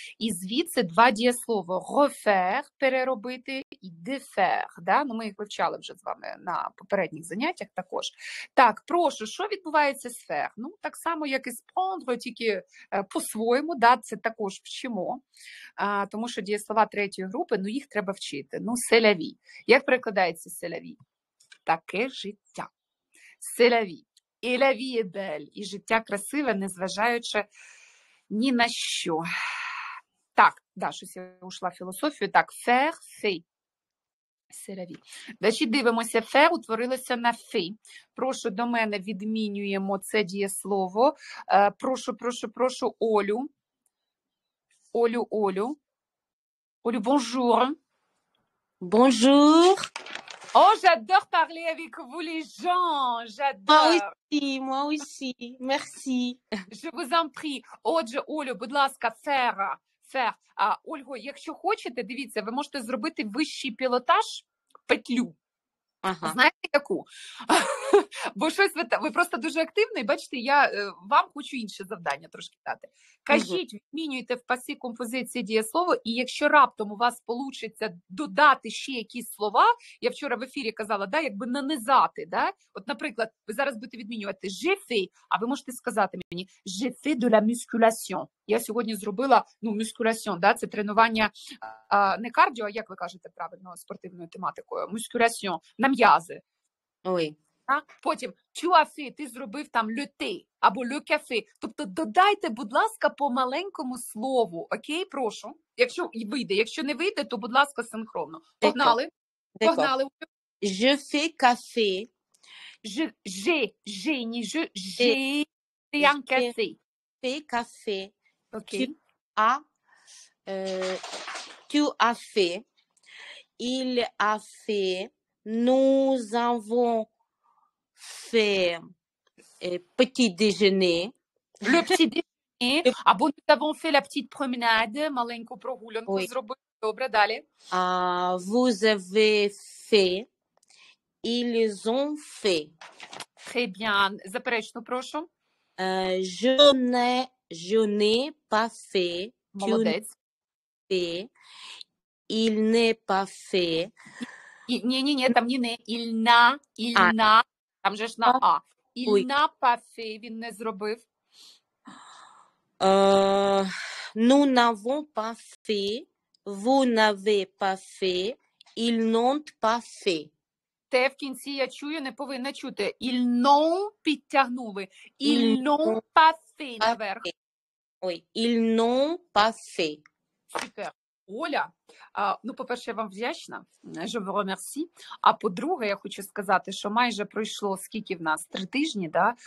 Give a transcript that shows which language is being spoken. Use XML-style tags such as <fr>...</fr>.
<uk>І звідси два дієслова refaire, переробити, і défaire. Да? Ну, ми їх вивчали вже з вами на попередніх заняттях також. Так, прошу, що відбувається з faire? Ну, так само, як і з prendre, тільки по-своєму, да? Це також вчимо. Тому що дієслова третьої групи, ну, їх треба вчити. Ну,</uk> <fr>c'est la vie.</fr> <uk>Як перекладається c'est la vie? Таке життя.</uk> <fr>C'est la vie. Et la vie est belle.</fr> <uk>І життя красиве, незважаючи ні на що. Так, да, щось я ушла в філософію.</uk> <fr>Так, faire, fait. C'est la vie.</fr> <uk>Значи, дивимося, faire утворилося на fait. Прошу, до мене відмінюємо це дієслово. Прошу, прошу, прошу, Олю. Олю, Олю.</uk> <fr>Олю, bonjour. Bonjour. О, oh, j'adore parler avec vous les gens, j'adore. Moi aussi, merci. Je vous en prie.</fr> <uk>Отже, Олю, будь ласка, faire, faire. А, Ольго, якщо хочете, дивіться, ви можете зробити вищий пілотаж, петлю. Ага. Знаєте, яку? Бо щось ви просто дуже активний, бачите, я вам хочу інше завдання трошки дати. Кажіть, відмінюйте в пасі композиції дієслово, і якщо раптом у вас получиться додати ще якісь слова, я вчора в ефірі казала, да, якби нанизати, да? От, наприклад, ви зараз будете відмінювати «je fais», а ви можете сказати мені</uk> <fr>«je fais de la musculation».</fr> <uk>Я сьогодні зробила, ну, мускуляціон, да, це тренування не кардіо, а як ви кажете правильно, спортивною тематикою, мускуляціон, на м'язи.</uk> <fr>Oui.</fr> <uk>А? Потім,</uk> <fr>tu as fait,</fr> <uk>ти зробив там</uk> <fr>le thé</fr> <uk>або</uk> <fr>le café.</fr> <uk>Тобто додайте, будь ласка, по маленькому слову, окей, прошу. Якщо вийде, якщо не вийде, то, будь ласка, синхронно. Погнали.</uk> <fr>D'accord.</fr> <uk>Погнали.</uk> <fr>Je fais café. Je,</fr> <uk>не</uk> <fr>je, j'ai un café. Fais café.</fr> <en>Okay.</en> <fr>Tu as fait, il a fait, nous avons fait petit déjeuner. Le petit déjeuner, або nous avons fait la petite promenade,</fr> <uk>маленьку прогулянку</uk> <fr>oui.</fr> <uk>Зробили. Добре, далі.</uk> <fr>Vous avez fait, ils ont fait. Très bien,</fr> <uk>заперечно, прошу.</uk> <fr>Je n'ai pas fait.</fr> <uk>Молодець.</uk> <fr>Fait. Il n'est pas fait.</fr> <uk>Ні-ні-ні, там ні не.</uk> <fr>Il n'a.</fr> <uk>Там же ж на А.</uk> <fr>Il oui. n'a pas fait.</fr> <uk>Він не зробив.</uk> <fr>Nous n'avons pas fait. Vous n'avez pas fait. Ils n'ont pas fait.</fr> <uk>Те в кінці я чую, не повинна чути.</uk> <fr>Il non</fr> <uk>підтягнули.</uk> <fr>Il non passé</fr> <uk>наверх. Ой,</uk> <fr>il non passé.</fr> <uk>Супер. Оля, ну, по-перше, я вам вдячна.</uk> <fr>Je vous remercie.</fr> <uk>А по-друге, я хочу сказати, що майже пройшло, скільки в нас, 3 тижні, да?</uk>